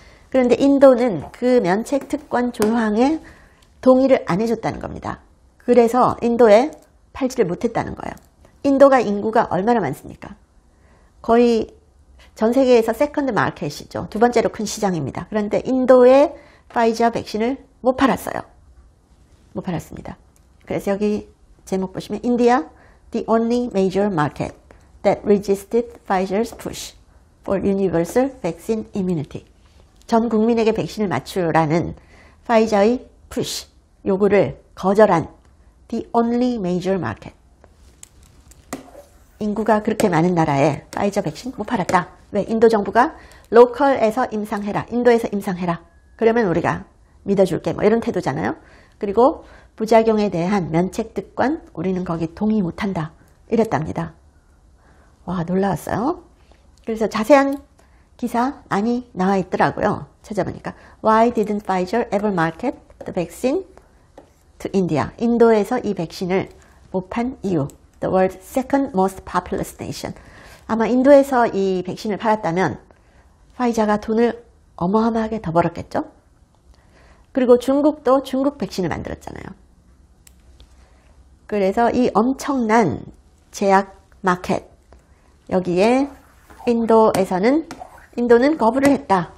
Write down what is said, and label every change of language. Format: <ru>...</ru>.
<ko>그런데 인도는 그 면책 특권 조항에 동의를 안 해줬다는 겁니다. 그래서 인도에 팔지를 못했다는 거예요. 인도가 인구가 얼마나 많습니까? 거의 전 세계에서 세컨드 마켓이죠. 두 번째로 큰 시장입니다. 그런데 인도에 화이자 백신을 못 팔았어요. 못 팔았습니다. 그래서 여기 제목 보시면</ko> <en>India, the only major market that resisted Pfizer's push for universal vaccine immunity.</en> <ko>전 국민에게 백신을 맞추라는 화이자의 push 요구를 거절한</ko> <en>the only major market.</en> <ko>인구가 그렇게 많은 나라에 화이자 백신 못 팔았다. 왜? 인도 정부가 로컬에서 임상해라. 인도에서 임상해라. 그러면 우리가 믿어줄게. 뭐 이런 태도잖아요. 그리고 부작용에 대한 면책 특권 우리는 거기 동의 못한다. 이랬답니다. 와, 놀라웠어요. 그래서 자세한 기사 많이 나와 있더라고요. 찾아보니까</ko> <en>Why didn't Pfizer ever market the vaccine to India?</en> <ko>인도에서 이 백신을 못 판 이유.</ko> <en>The world's second most populous nation.</en> <ko>아마 인도에서 이 백신을 팔았다면 화이자가 돈을 어마어마하게 더 벌었겠죠? 그리고 중국도 중국 백신을 만들었잖아요. 그래서 이 엄청난 제약 마켓 여기에 인도에서는 인도는 거부를 했다.</ko>